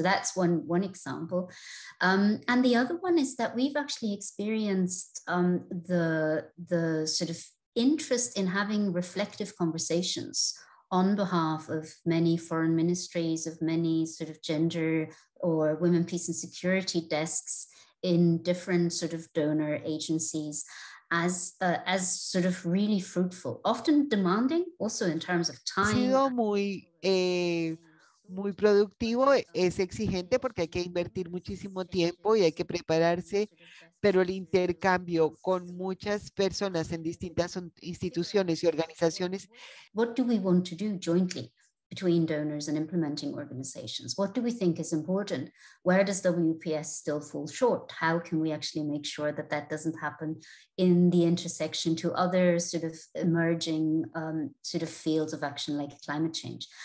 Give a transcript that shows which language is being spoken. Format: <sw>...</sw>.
<en>So that's one example. And the other one is that we've actually experienced the sort of interest in having reflective conversations on behalf of many foreign ministries, of many sort of gender or women, peace and security desks in different sort of donor agencies as sort of really fruitful, often demanding also in terms of time.</en> <es>Sido muy, muy productivo, es exigente porque hay que invertir muchísimo tiempo y hay que prepararse, pero el intercambio con muchas personas en distintas instituciones y organizaciones.</es> <en>What do we want to do jointly between donors and implementing organizations? What do we think is important? Where does WPS still fall short? How can we actually make sure that that doesn't happen in the intersection to other sort of emerging sort of fields of action like climate change?</en>